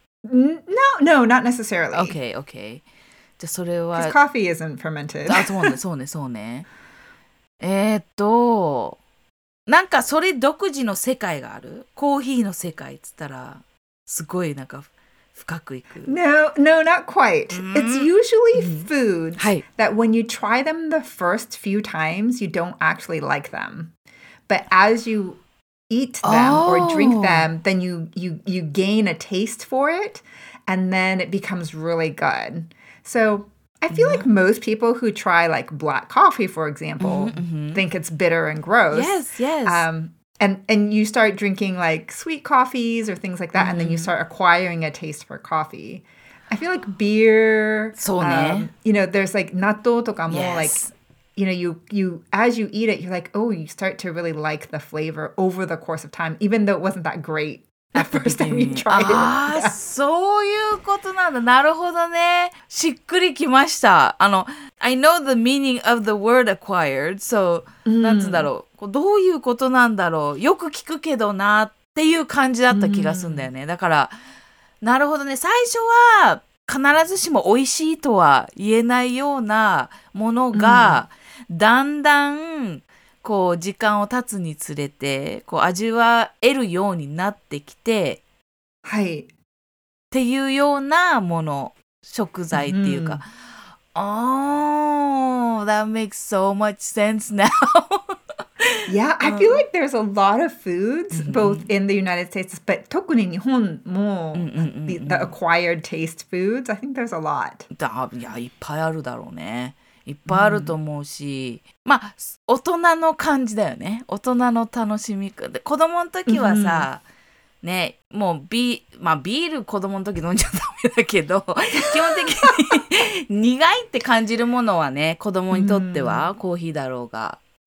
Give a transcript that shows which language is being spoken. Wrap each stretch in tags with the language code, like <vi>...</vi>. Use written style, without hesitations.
<en>No, not necessarily. Okay, okay.</en> <ja>じゃあそれは</ja> <en>Because coffee isn't fermented.</en> <ja>あ、そうね、そうね、そうね。なんかそれ独自の世界がある？コーヒーの世界って言ったらすごいなんか深くいく。</ja> <en>No, no, not quite. It's usually foods that when you try them the first few times, you don't actually like them. But as you eat them or drink them, then you gain a taste for it, and then it becomes really good. So I feel like most people who try like black coffee, for example, think it's bitter and gross. Yes, yes. And you start drinking like sweet coffees or things like that, and then you start acquiring a taste for coffee. I feel like beer, you know, there's like natto</en> <ja>とかも</ja> <en>like, you know, you as you eat it, you're like, oh, you start to really like the flavor over the course of time, even though it wasn't that great the first time you tried it.</en> <ja>Ah, そういうことなんだ。なるほどね。しっくりきました。あの、</ja> <en>I know the meaning of the word acquired, so,</en> <ja>なんつだろう。どういうことなんだろう、よく聞くけどなっていう感じだった気がするんだよね。だからなるほどね、最初は必ずしも美味しいとは言えないようなものが、だんだんこう時間を経つにつれてこう味わえるようになってきて、はい、っていうようなもの、食材っていうか、</ja> <en>that makes so much sense now. Yeah, I feel like there's a lot of foods, both in the United States, but</en> <ja>特に日本も</ja> <en>the acquired taste foods, I think there's a lot.</en> <ja>いや、いっぱいあるだろうね。いっぱいあると思うし、まあ、大人の感じだよね。大人の楽しみ。子供の時はさ、ね、もうビール子供の時飲んじゃダメだけど、基本的に苦いって感じるものはね、子供にとってはコーヒーだろうが。</ja>